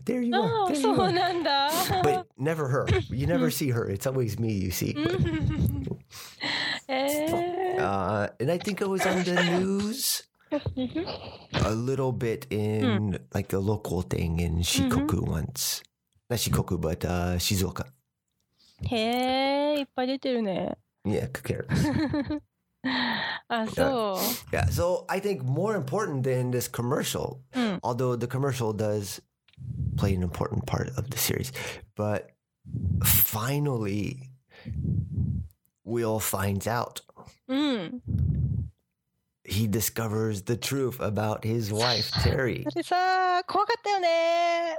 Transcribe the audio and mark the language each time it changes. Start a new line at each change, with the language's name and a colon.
English: There you are. There you are. But never her. You never see her. It's always me you see. And I think it was on the news a little bit in like a local thing in Shikoku once. Not Shikoku, but Shizuoka.
Japanese: へえ、いっぱい出てるね。
English: Yeah, who cares?
Japanese: あ、そう。
English: Yeah, so I think more important than this commercial, although the commercial does play an important part of the series, but finally, Will finds out. He discovers the truth about his wife, Terry.
Japanese: だってさ、怖かったよね。